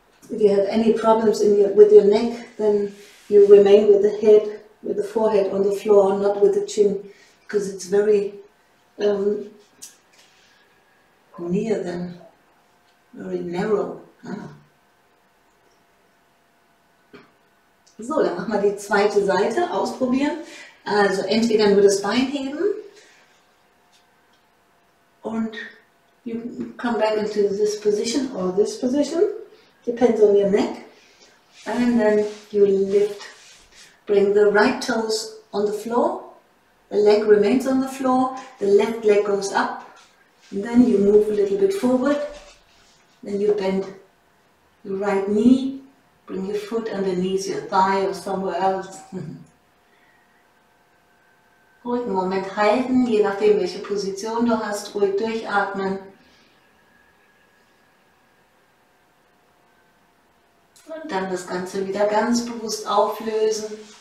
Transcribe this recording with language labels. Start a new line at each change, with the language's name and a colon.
English: if you have any problems in with your neck, then you remain with the head, with the forehead on the floor, not with the chin, because it's very near them, very narrow. Ah.
German: So, dann machen wir die zweite Seite, ausprobieren. Also entweder nur das Bein heben und
English: you come back into this position or this position, depends on your neck, and then you lift. Bring the right toes on the floor, the leg remains on the floor, the left leg goes up, and then you move a little bit forward, then you bend your right knee, bring your foot underneath your thigh or somewhere else.
German: Ruhig einen Moment halten, je nachdem welche Position du hast, ruhig durchatmen. Und dann das Ganze wieder ganz bewusst auflösen.